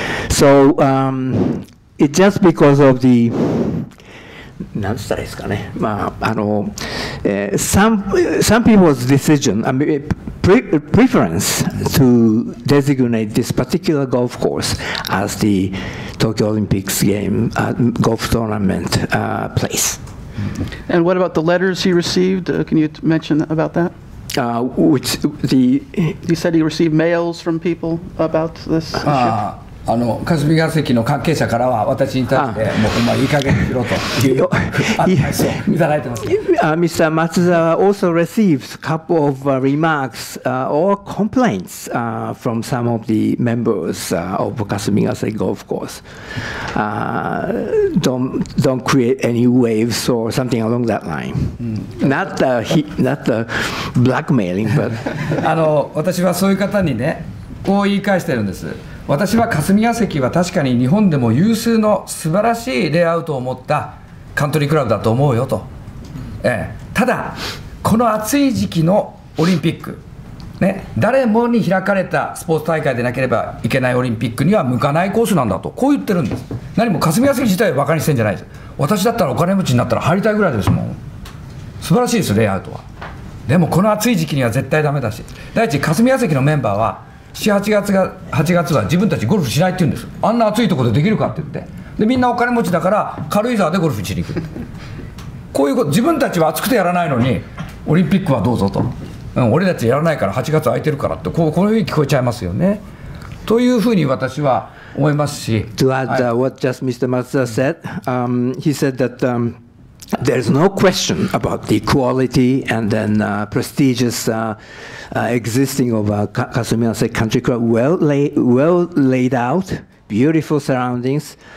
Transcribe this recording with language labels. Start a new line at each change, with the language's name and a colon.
English: So it's just because of the some people's decision, I mean, preference to designate this particular golf course as the Tokyo Olympics game golf tournament place. And what about the letters he received? Can you mention about that? Which he said he received mails from people about this issue.
Japanese: あの霞ヶ関の関係者からは私に対してもうお前いい加減にしろというアドバイスをいただいてます。
English: Mr. Matsuzawa also received a couple of remarks or complaints from some of the members of 霞ヶ関 golf course. Don't create any waves or something along that line. Not the blackmailing, but
Japanese: あの私はそういう方にねこう言い返してるんです。私は霞ヶ関は確かに日本でも有数の素晴らしいレイアウトを持ったカントリークラブだと思うよと、ええ、ただこの暑い時期のオリンピック、ね、誰もに開かれたスポーツ大会でなければいけないオリンピックには向かないコースなんだとこう言ってるんです。何も霞ヶ関自体をバカにしてんじゃないです。私だったらお金持ちになったら入りたいぐらいですもん。素晴らしいですレイアウトは。でもこの暑い時期には絶対ダメだし、第一霞ヶ関のメンバーは8月は自分たちゴルフしないって言うんです。あんな暑いところでできるかって言って、でみんなお金持ちだから軽井沢でゴルフしに行くって、こういうこと。自分たちは暑くてやらないのにオリンピックはどうぞと、うん、俺たちやらないから8月空いてるからって、こういうふうに聞こえちゃいますよねというふうに私は思いますし。
English: To add what just Mr. Matsuda said, he said that there's no question about the quality and then prestigious existing of Kasumigaseki Country Club. Well laid out, beautiful surroundings.